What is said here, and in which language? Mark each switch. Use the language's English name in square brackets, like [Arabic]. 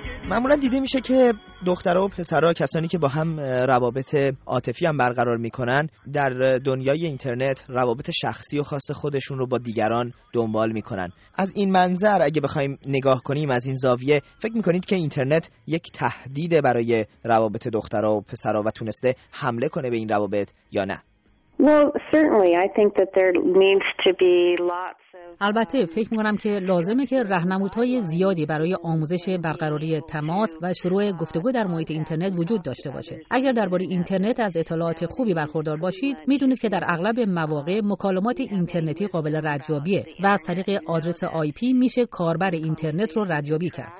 [Persian] معمولا دیده میشه که دخترها و پسرها، کسانی که با هم روابط عاطفی هم برقرار میکنن، در دنیای اینترنت روابط شخصی و خاص خودشون رو با دیگران دنبال میکنن. از این منظر اگه بخوایم نگاه کنیم از این زاویه، فکر میکنید که اینترنت یک تهدید برای روابط دخترها و پسرها و تونسته حمله کنه به این روابط یا نه؟ [English] Well, certainly I think that there needs to be lots of [Persian] البته فکر میکنم که لازمه که راهنمودهای زیادی برای آموزش برقراری تماس و شروع گفتگو در محیط اینترنت وجود داشته باشه. اگر درباره اینترنت از اطلاعات خوبی برخوردار باشید، میدونید که در اغلب مواقع مکالمات اینترنتی قابل ردیابیه و از طریق آدرس IP میشه کاربر اینترنت رو ردیابی کرد.